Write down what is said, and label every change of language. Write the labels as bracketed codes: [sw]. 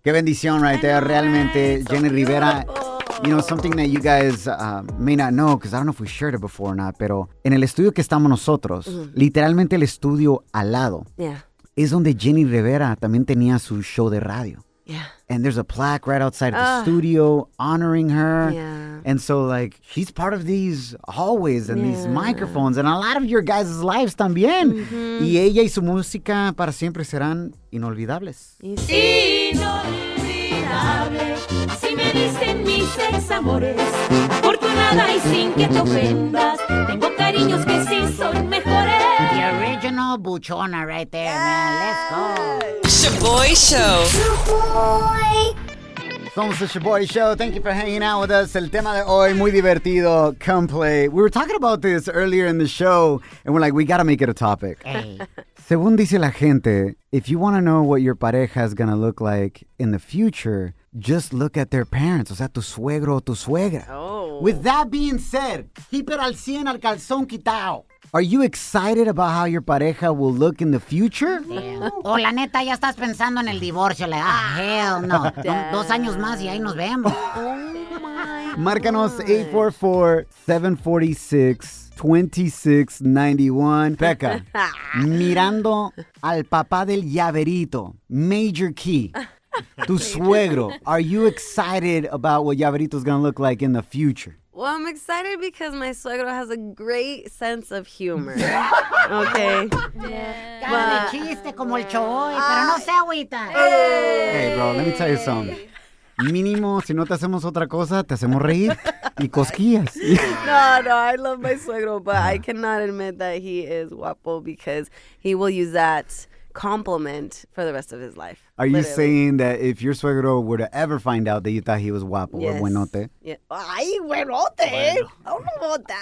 [es] Qué bendición, [en] right there. [es] Realmente, so Jenny Rivera. [en] You know, something that you guys may not know, because I don't know if we shared it before or not, [es] pero en el estudio que estamos nosotros, literalmente el estudio al lado, es donde Jenny Rivera también tenía su show de radio. [en] Yeah. And there's a plaque right outside of the studio honoring her. Yeah. And so, like, she's part of these hallways and these microphones and a lot of your guys' lives también. Mm-hmm. [es] Y ella y su música para siempre serán inolvidables. Inolvidables. Si me dicen mis ex amores, afortunada y sin que te ofendas, tengo cariños que sí son mejores. [en] The original buchona right there, man. Let's go. Shaboy Show. Shaboy. Somos the Shaboy Show. Thank you for hanging out with us. [es] El tema de hoy, muy divertido. [en] Come play. We were talking about this earlier in the show, and we're like, we got to make it a topic. Hey. [es] Según dice la gente, [en] if you want to know what your pareja is going to look like in the future, just look at their parents. [es] O sea, tu suegro o tu suegra. [en] Oh. With that being said, keep it [es] al 100 al calzón quitado. [en] Are you excited about how your pareja will look in the future? [es] Oh, la neta, ya estás pensando en el divorcio. [en] Like, ah, hell no. [es] Dos años más y ahí nos vemos. [en] Oh, my. [es] Márcanos 844-746-2691. Becca, mirando al papá del llaverito, [en] major key. Tu suegro, are you excited about what llaverito is going to look like in the future? Well, I'm excited because my suegro has a great sense of humor. Okay. Yeah. [es] Cada chiste como el choy, pero no se agüita. [en] Hey, bro, let me tell you something. [es] mínimo, si no te hacemos otra cosa, te hacemos reír y cosquillas. [en] No, no, I love my suegro, but I cannot admit that he is guapo because he will use that compliment for the rest of his life. Are literally. You saying that if your suegro were to ever find out that you thought he was guapo, yes. or buenote? Yeah. Ay, buenote. Bueno. I don't know about that.